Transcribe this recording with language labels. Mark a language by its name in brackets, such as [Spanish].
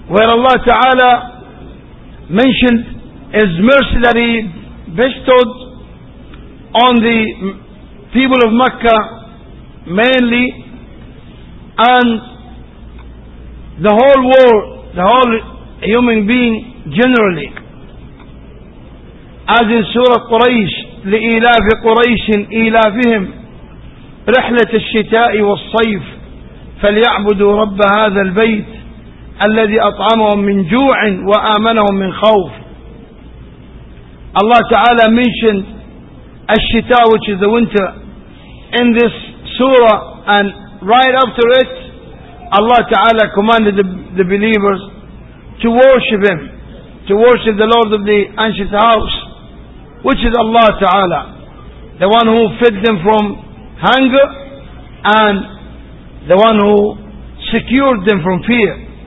[English] Allah Ta'ala mentioned His mercy that He bestowed on the people of Mecca mainly, and the whole world, the whole human being generally. As in Surah Quraysh, [Arabic] لإلاف قريش إلافهم رحلة الشتاء والصيف فليعبدوا رب هذا البيت الذي أطعمهم من جوع وآمنهم من خوف. [English] Allah Ta'ala mentioned الشتاء, which is the winter, in this surah, and right after it Allah Ta'ala commanded the believers to worship Him, to worship the Lord of the ancient house, which is Allah Ta'ala, the one who fed them from hunger and the one who secured them from fear.